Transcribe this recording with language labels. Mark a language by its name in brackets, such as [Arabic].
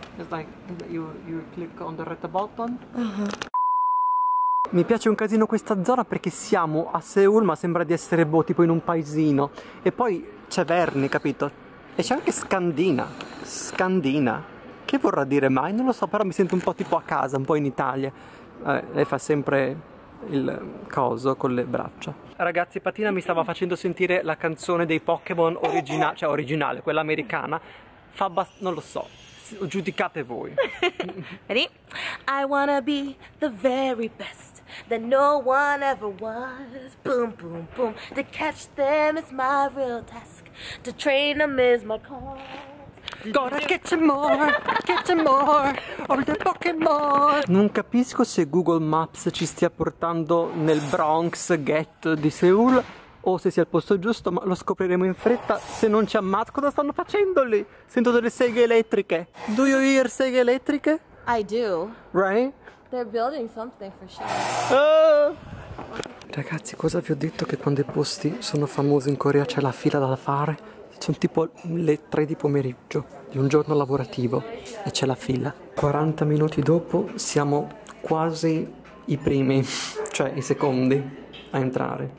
[English] It's like you click on the red button. Uh-huh. [Italian] Mi piace un casino questa zona perché siamo a Seoul, ma sembra di essere boh, tipo in un paesino. E poi c'è Verni, capito? E c'è anche Scandina. Scandina. Che vorrà dire mai? Non lo so, però mi sento un po' tipo a casa, un po' in Italia. Lei fa sempre il coso con le braccia. Ragazzi, Patina mi stava facendo sentire la canzone dei Pokémon originale, cioè originale, quella americana. Non lo so, giudicate voi. [English] Ready? I wanna be the very best that no one ever was. Boom, boom, boom. To catch them is my real task. To train them is my call. Gotta catch 'em more, all the Pokémon. [Italian] Non capisco se Google Maps ci stia portando nel Bronx ghetto di Seoul o se sia il posto giusto, ma lo scopriremo in fretta. Se non ci ammazzo, cosa stanno facendo lì? Sento delle seghe elettriche. [English] Do you hear [Italian] seghe elettriche? [English] I do. Right? They're building something for sure. Oh. [Italian] Ragazzi, cosa vi ho detto? Che quando i posti sono famosi in Corea c'è la fila da fare. Sono tipo le 3 di pomeriggio di un giorno lavorativo e c'è la fila. 40 minuti dopo siamo quasi i primi, cioè i secondi a entrare.